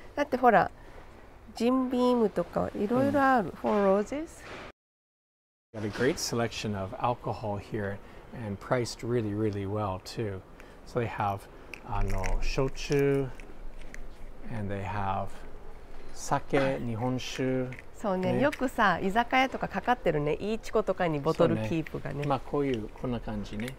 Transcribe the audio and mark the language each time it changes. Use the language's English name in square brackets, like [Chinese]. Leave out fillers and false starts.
[Japanese] だってほら、ジンビームとかいろいろある。 [English] Four Roses? We've got a great selection of alcohol here and priced really, really well, too. So they have shochu,And they have sake, 日本酒。 [Japanese] そうね、よくさ、居酒屋とかかかってるね、イチコとかにボトルキープがね。まあこういう、こんな感じね。